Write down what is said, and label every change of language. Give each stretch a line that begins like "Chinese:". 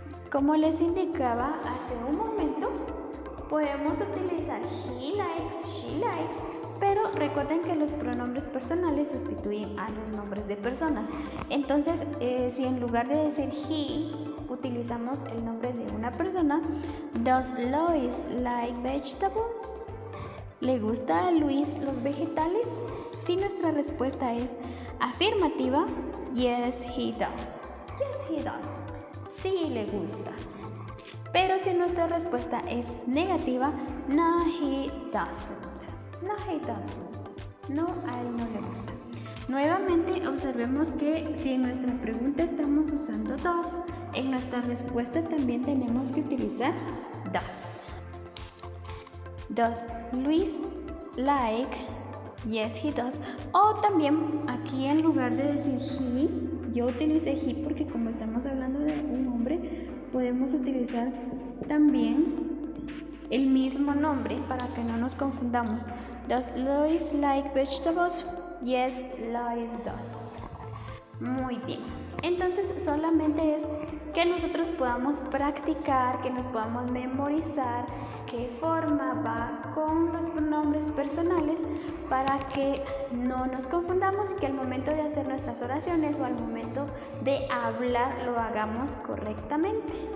Spanish: Como les indicaba hace un momento, podemos utilizar
English: he likes, she likes,
Spanish: pero recuerden que los pronombres personales sustituyen a los nombres de personas. Entonces, si en lugar de decir he, utilizamos el nombre de una persona.
English: Does Lois like vegetables?
Spanish: ¿Le gusta a Luis los vegetales? Si nuestra respuesta es afirmativa,
English: yes, he does. Yes, he does.
Spanish: Sí, le gusta. Pero si nuestra respuesta es negativa,
English: no, he doesn't. No, he doesn't.
Spanish: No, a él no le gusta. Nuevamente, observemos que si en nuestra pregunta estamos usando does, en nuestra respuesta también tenemos que utilizar does.
English: Does Luis like? Yes, he does.
Spanish: O también aquí en lugar de decir he, yo utilicé he porque como estamos hablando de un hombre, podemos utilizar también el mismo nombre para que no nos confundamos.
English: Does Lois like vegetables? Yes, Lois does.
Spanish: Muy bien. Entonces, solamente es que nosotros podamos practicar, que nos podamos memorizar qué forma va con los pronombres personales para que no nos confundamos y que al momento de hacer nuestras oraciones o al momento de hablar lo hagamos correctamente.